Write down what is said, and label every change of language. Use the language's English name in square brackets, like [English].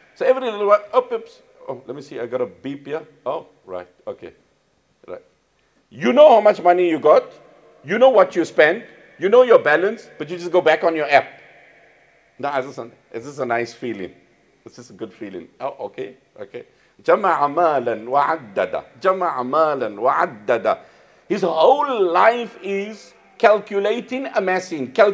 [English] So every little while, oops. Oh, let me see, I got a beep here. Oh, right, okay. Right. You know how much money you got. You know what you spend. You know your balance, but you just go back on your app. Now, is this a nice feeling? Is this a good feeling? Oh, okay, okay. [Arabic] جَمَعَ مَالًا وَعَدَّدًا جَمَعَ مَالًا وَعَدَّدًا. [English] His whole life is calculating, amassing.